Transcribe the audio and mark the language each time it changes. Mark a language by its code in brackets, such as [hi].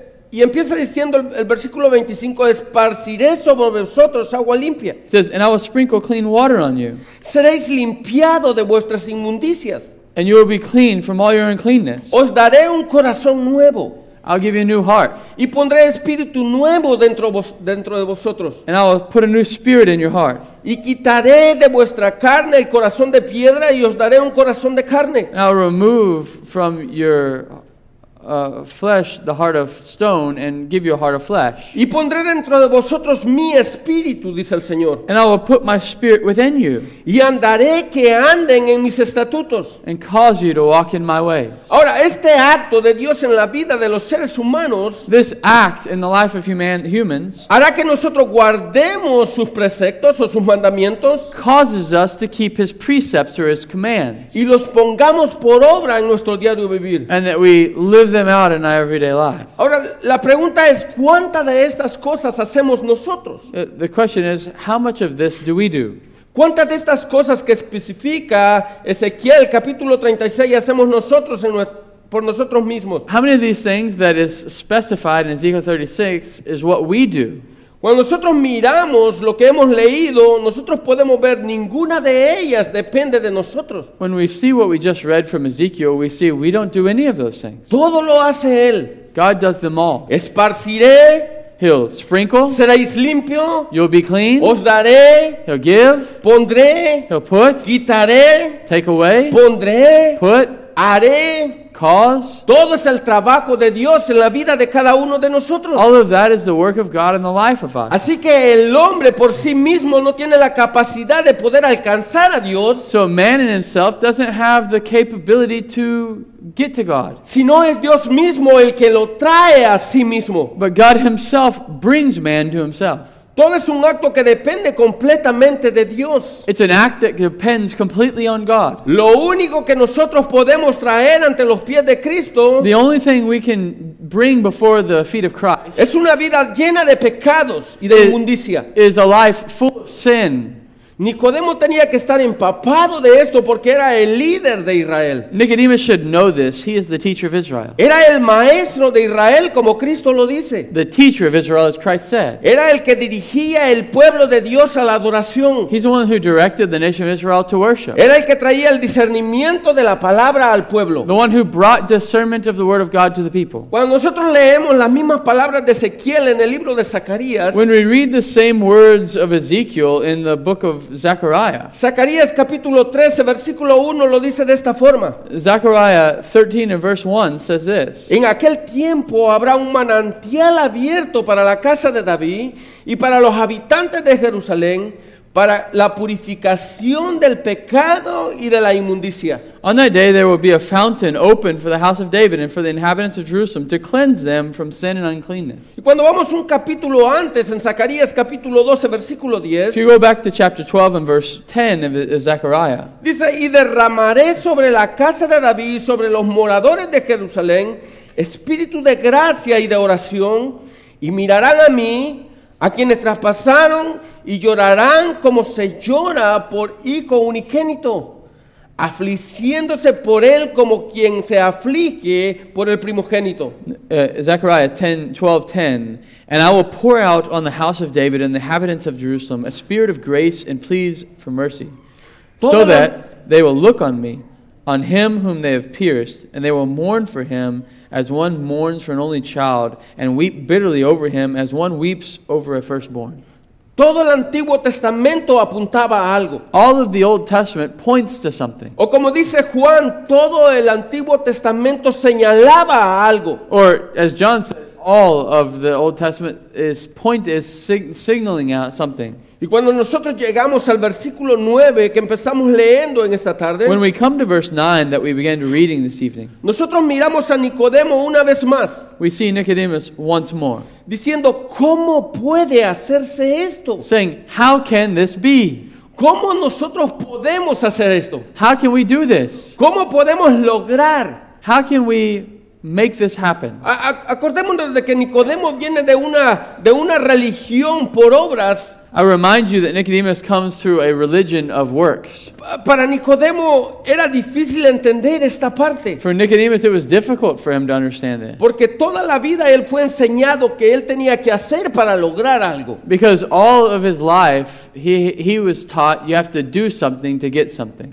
[es] Y empieza diciendo el versículo 25, esparciré sobre vosotros agua limpia. [en] It says, and I will sprinkle clean water on you. [es] Seréis limpiado de vuestras inmundicias. [en] And you will be clean from all your uncleanness. [es] Os daré un corazón nuevo. [en] I'll give you a new heart. [es] Y pondré espíritu nuevo dentro de vosotros. [en] And I will put a new spirit in your heart. [es] Y quitaré de vuestra carne el corazón de piedra y os daré un corazón de carne. [en] And I'll remove from your flesh the heart of stone and give you a heart of flesh. [es] Y pondré dentro de vosotros mi espíritu, dice el Señor. [en] And I will put my spirit within you. [es] Y andaré que anden en mis estatutos. [en] And cause you to walk in my ways. [es] Ahora, este acto de Dios en la vida de los seres humanos, [en] this act in the life of humans, [es] hará que nosotros guardemos sus preceptos o sus mandamientos, [en] causes us to keep his precepts or his commands, [es] y los pongamos por obra en nuestro día de vivir. [en] And that we live them out in our everyday life. [es] Ahora, la pregunta es, ¿cuántas de estas cosas hacemos nosotros? [en] The question is, how much of this do we do? [es] ¿Cuántas de estas cosas que especifica Ezequiel capítulo 36 hacemos nosotros en por nosotros mismos? [en] How many of these things that is specified in Ezekiel 36 is what we do? [es] Cuando nosotros miramos lo que hemos leído, nosotros podemos ver ninguna de ellas depende de nosotros. [en] When we see what we just read from Ezekiel, we see we don't do any of those things. [es] Todo lo hace Él. [en] God does them all. [es] Esparciré. [en] He'll sprinkle. [es] Seréis limpio. [en] You'll be clean. [es] Os daré. [en] He'll give. [es] Pondré. [en] He'll put. [es] Quitaré. [en] Take away. [es] Pondré. [en] Put. [es] Haré. [en] Cause. [es] Todo es el trabajo de Dios en la vida de cada uno de nosotros. [en] All of that is the work of God in the life of us. [es] Así que el hombre por sí mismo no tiene la capacidad de poder alcanzar a Dios. [en] So man in himself doesn't have the capability to get to God. [es] Sino es Dios mismo el que lo trae a sí mismo. [en] But God himself brings man to himself. [es] Todo es un acto que depende completamente de Dios. [en] It's an act that depends completely on God. [es] Lo único que nosotros podemos traer ante los pies de Cristo, [en] the only thing we can bring before the feet of Christ, [es] es una vida llena de pecados y de inmundicia. [en] Is a life full of sin. [es] Nicodemo tenía que estar empapado de esto porque era el líder de Israel. [en] Nicodemus should know this. He is the teacher of Israel. [es] Era el maestro de Israel como Cristo lo dice. [en] The teacher of Israel, as Christ said. [es] Era el que dirigía el pueblo de Dios a la adoración. [en] He's the one who directed the nation of Israel to worship. [es] Era el que traía el discernimiento de la palabra al pueblo. [en] The one who brought discernment of the word of God to the people. [es] Cuando nosotros leemos las mismas palabras de Ezequiel en el libro de Zacarías, [en] when we read the same words of Ezekiel in the book of Zechariah. [es] Zacarías capítulo 13 versículo 1 lo dice de esta forma. [en] Zechariah 13 and verse 1 says this. [es] En aquel tiempo habrá un manantial abierto para la casa de David y para los habitantes de Jerusalén para la purificación del pecado y de la inmundicia. [en] On that day there will be a fountain open for the house of David and for the inhabitants of Jerusalem to cleanse them from sin and uncleanness. [es] Y cuando vamos un capítulo antes, en Zacarías capítulo 12, versículo 10, [en] if you go back to chapter 12 and verse 10 of Zechariah, [es] dice, y derramaré sobre la casa de David y sobre los moradores de Jerusalén espíritu de gracia y de oración, y mirarán a mí, a quienes traspasaron, y llorarán como se llora por hijo unigénito, afligiéndose por él como quien se aflige por el primogénito. [en] Zechariah 12:10, and I will pour out on the house of David and the inhabitants of Jerusalem a spirit of grace and pleas for mercy, so that they will look on me, on him whom they have pierced, and they will mourn for him as one mourns for an only child, and weep bitterly over him as one weeps over a firstborn. [es] Todo el Antiguo Testamento apuntaba a algo. [en] All of the Old Testament points to something. [es] O como dice Juan, todo el Antiguo Testamento señalaba a algo. [en] Or as John says, all of the Old Testament is point is signaling out something. [es] Y cuando nosotros llegamos al versículo 9 que empezamos leyendo en esta tarde, [en] when we come to verse 9 that we began reading this evening, [es] nosotros miramos a Nicodemo una vez más. [en] We see Nicodemus once more. [es] Diciendo, ¿cómo puede hacerse esto? [en] Saying, how can this be? [es] ¿Cómo nosotros podemos hacer esto? [en] How can we do this? [es] ¿Cómo podemos lograr? [en] How can we make this happen? [es] Acordémonos de que Nicodemo viene de una religión por obras. [en] I remind you that Nicodemus comes through a religion of works. [es] Para Nicodemo era difícil entender esta parte. [en] For Nicodemus it was difficult for him to understand this. [es] Porque toda la vida él fue enseñado que él tenía que hacer para lograr algo. [en] Because all of his life he was taught you have to do something to get something.